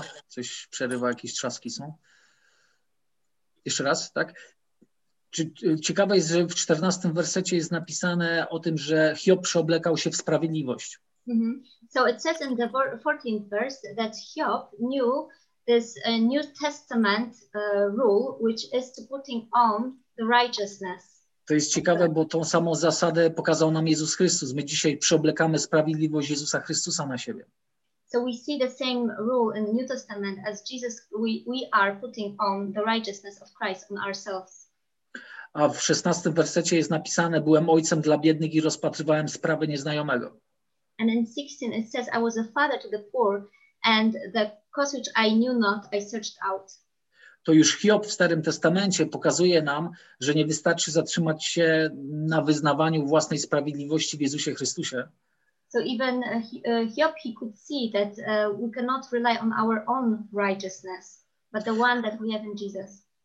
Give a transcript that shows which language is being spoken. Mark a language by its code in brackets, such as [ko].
[pl] Coś przerywa, jakieś trzaski są. Jeszcze raz, tak? Ciekawe jest, że w 14 wersecie jest napisane o tym, że Hiob przeoblekał się w sprawiedliwość. [en] Mm-hmm. So it says in the 14th verse that Hiob knew this New Testament rule, which is to putting on the righteousness. [pl] To jest ciekawe, bo tą samą zasadę pokazał nam Jezus Chrystus. My dzisiaj przeoblekamy sprawiedliwość Jezusa Chrystusa na siebie. [en] So we see the same rule in the New Testament as Jesus, we are putting on the righteousness of Christ on ourselves. [pl] A w 16 wersecie jest napisane, byłem ojcem dla biednych i rozpatrywałem sprawy nieznajomego. [en] And in 16 it says, I was a father to the poor and the cause which I knew not, I searched out. [pl] To już Hiob w Starym Testamencie pokazuje nam, że nie wystarczy zatrzymać się na wyznawaniu własnej sprawiedliwości w Jezusie Chrystusie. [en] So even Hiob, he could see that we cannot rely on our own righteousness, but the one that we have in Jesus.